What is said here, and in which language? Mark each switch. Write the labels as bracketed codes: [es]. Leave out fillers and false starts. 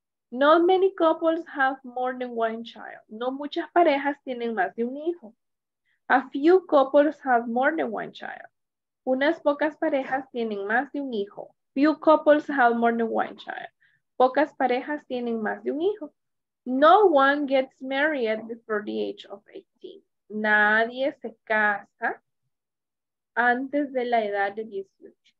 [en] Not many couples have more than one child. [es] No muchas parejas tienen más de un hijo. [en] A few couples have more than one child. [es] Unas pocas parejas tienen más de un hijo. [en] Few couples have more than one child. [es] Pocas parejas tienen más de un hijo. [en] No one gets married before the age of 18. [es] Nadie se casa antes de la edad de 18.